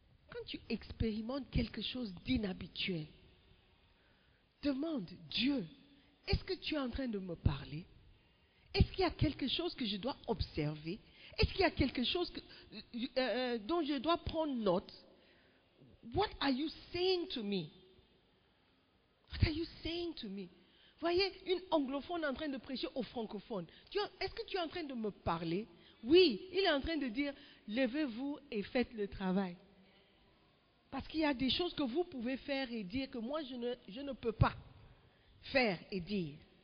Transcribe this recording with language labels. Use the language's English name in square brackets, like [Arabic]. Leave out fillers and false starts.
[French] Quand tu expérimentes quelque chose d'inhabituel, demande Dieu, est-ce que tu es en train de me parler? Est-ce qu'il y a quelque chose que je dois observer? Est-ce qu'il y a quelque chose dont je dois prendre note? [English] What are you saying to me? What are you saying to me? [French] Voyez, une anglophone en train de prêcher aux francophones. Est-ce que tu es en train de me parler? Oui, il est en train de dire, levez-vous et faites le travail. Parce qu'il y a des choses que vous pouvez faire et dire que moi, je ne peux pas faire et dire.